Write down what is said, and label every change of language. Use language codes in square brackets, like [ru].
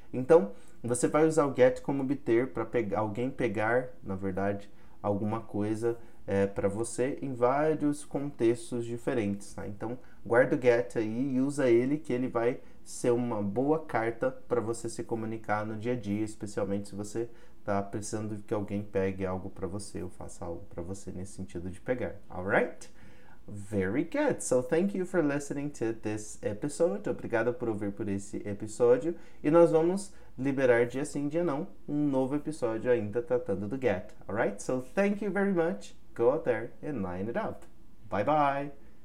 [pt] Então, você vai usar o get como obter para alguém pegar, na verdade, alguma coisa para você em vários contextos diferentes, tá? Então, guarda o get aí e usa ele que ele vai ser uma boa carta para você se comunicar no dia a dia, especialmente se você está precisando que alguém pegue algo para você ou faça algo para você nesse sentido de pegar. [en] Alright? Very good. So, thank you for listening to this episode. [pt] Obrigado por ouvir por esse episódio. E nós vamos liberar dia sim, dia não, um novo episódio ainda tratando do get. [en] Alright? So, thank you very much. Go out there and line it up. Bye-bye.